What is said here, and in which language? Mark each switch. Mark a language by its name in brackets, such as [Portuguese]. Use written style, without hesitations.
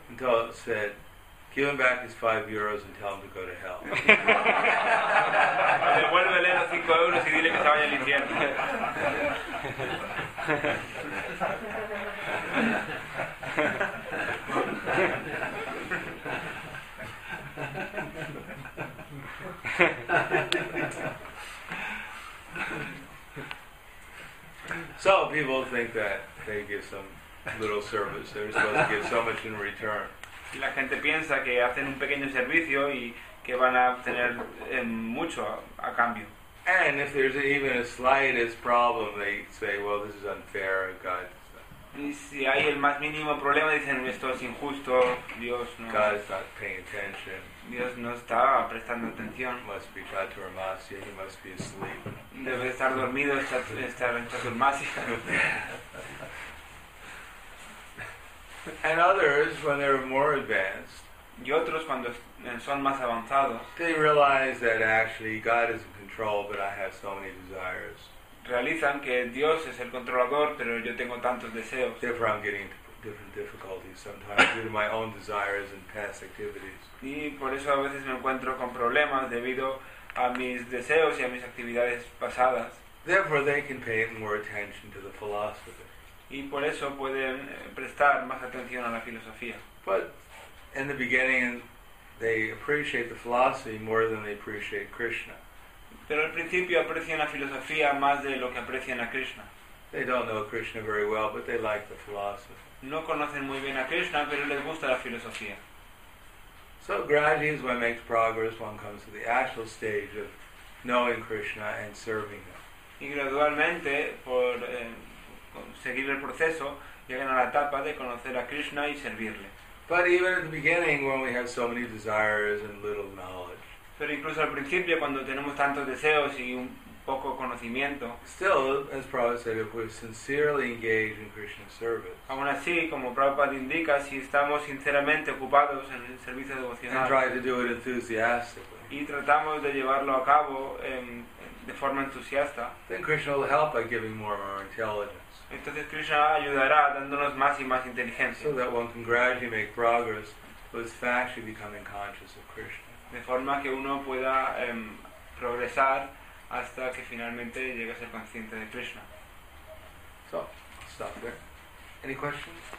[English] And said, "Give him back his 5 euros and tell him to go to hell." [Spanish] Devuélvele los 5 euros y dile que se vaya al infierno. [English] So people think that they give some little service. They're supposed to give so much in return. [Spanish] La gente piensa que hacen un pequeño servicio y que van a obtener mucho a cambio. [English] And if there's even a slightest problem, they say, "Well, this is unfair, God." [Spanish] Y si hay el más mínimo problema, dicen, "Esto es injusto, Dios no." [English] God is not paying attention. [Spanish] Dios no está prestando atención. [English] Must be Chaturmasya. He must be asleep. [Spanish] Debe estar dormido, estar en Chaturmasya. [English] And others, when they're more advanced, [Spanish] y otros cuando son más avanzados, [English] they realize that actually God is in control, but I have so many desires. [Spanish] Realizan que Dios es el controlador, pero yo tengo tantos deseos. [English] Therefore, I'm getting different difficulties sometimes due to my own desires and past activities. [Spanish] Y por eso a veces me encuentro con problemas debido a mis deseos y a mis actividades pasadas. [English] Therefore, they can pay more attention to the philosophy. [Spanish] Y por eso pueden prestar más atención a la filosofía. [English] But in the beginning, they appreciate the philosophy more than they appreciate Krishna. [Spanish] Pero al principio aprecian la filosofía más de lo que aprecian a Krishna. [English] They don't know Krishna very well, but they like the philosophy. [Spanish] No conocen muy bien a Krishna, pero les gusta la filosofía. [English] So gradually, as one makes progress, one comes to the actual stage of knowing Krishna and serving him. [Spanish] Y gradualmente, por seguir el proceso, llegan a la etapa de conocer a Krishna y servirle. [English] But even at the beginning, when we have so many desires and little knowledge, [Spanish] pero incluso al principio, cuando tenemos tantos deseos y un poco conocimiento, [English] still, as Prabhupada said, if we're sincerely engaged in Krishna's service, [Spanish] aún así, como Prabhupada indica, si estamos sinceramente ocupados en el servicio devocional, [English] and try to do it enthusiastically, [Spanish] y tratamos de llevarlo a cabo de forma entusiasta, [English] then Krishna will help by giving more and more intelligence. [Spanish] Entonces Krishna ayudará dándonos más y más inteligencia. [English] So that one can gradually make progress towards actually becoming conscious of Krishna. [Spanish] De forma que uno pueda progresar hasta que finalmente llegue a ser consciente de Krishna. [English] So, stop there. Any questions?